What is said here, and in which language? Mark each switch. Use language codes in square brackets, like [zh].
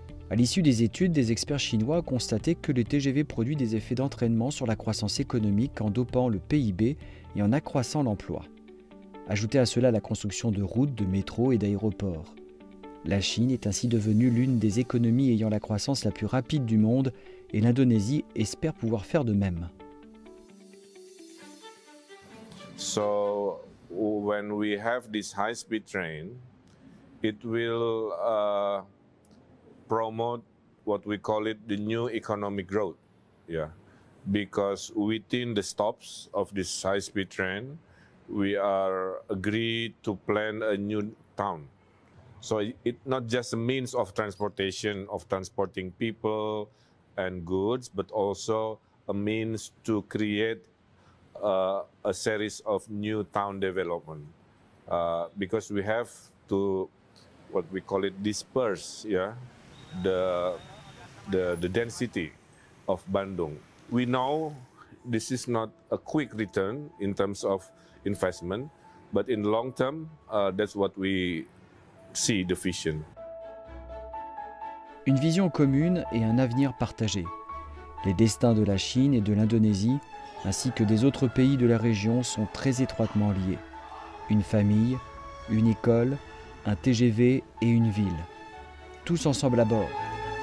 [fr] À l'issue des études, des experts chinois ont constaté que le TGV produit des effets d'entraînement sur la croissance économique en dopant le PIB et en accroissant l'emploi. Ajoutez à cela la construction de routes, de métros et d'aéroports. La Chine est ainsi devenue l'une des économies ayant la croissance la plus rapide du monde et l'Indonésie espère pouvoir faire de même. [en] So, when we have this high-speed train, it will promote what we call it the new economic growth. Yeah, because within the stops of this high-speed train, we are agreed to plan a new town. So it's not just a means of transportation, of transporting people and goods, but also a means to create a series of new town development, because we have to, what we call it, disperse, yeah, the density of Bandung. We know this is not a quick return in terms of investment, but in the long term, that's what we see the vision. [fr] Une vision commune et un avenir partagé. Les destins de la Chine et de l'Indonésie ainsi que des autres pays de la région sont très étroitement liés. Une famille, une école, un TGV et une ville. Tous ensemble à bord.